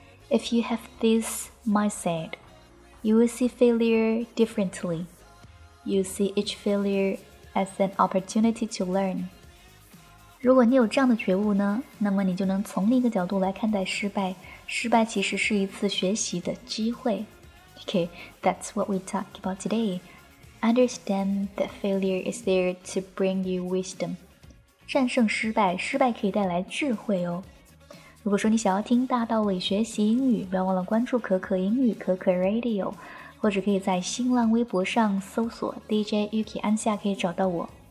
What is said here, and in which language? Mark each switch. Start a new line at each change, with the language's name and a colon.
English: If you have this mindset, you will see failure differently. You see each failure as an opportunity to learn.
Chinese: 如果你有这样的觉悟呢，那么你就能从另一个角度来看待失败。失败其实是一次学习的机会。
English: Okay, that's what we talk about today. Understand that failure is there to bring you wisdom.
Chinese: 战胜失败，失败可以带来智慧哦。如果说你想要听大道理学习英语，不要忘了关注可可英语可可 Radio， 或者可以在新浪微博上搜索 DJ Yuki 安夏，可以找到我。